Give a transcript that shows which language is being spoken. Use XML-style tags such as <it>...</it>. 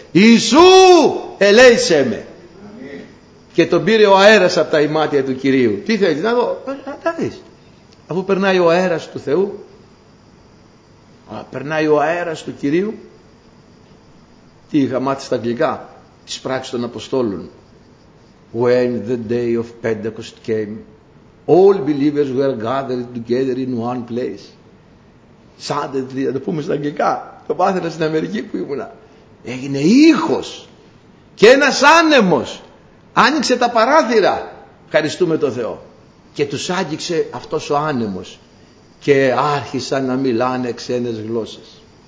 <el>Ιησού, ελέησέ με. Και τον πήρε ο αέρας από τα ημάτια του Κυρίου. Τι θέλεις να δω, να δεις. Αφού περνάει ο αέρας του Θεού, περνάει ο αέρας του Κυρίου, τι είχα μάθει στα αγγλικά, τις πράξεις των Αποστόλων.</el> <en>When the day of Pentecost came, all believers were gathered together in one place.</en> <el>Suddenly, να το πούμε στα αγγλικά, το πάθαινα στην Αμερική που ήμουνα. Έγινε ήχος και ένας άνεμος. Άνοιξε τα παράθυρα, ευχαριστούμε τον Θεό. Και τους άγγιξε αυτός ο άνεμος και άρχισαν να μιλάνε ξένες γλώσσες.</el>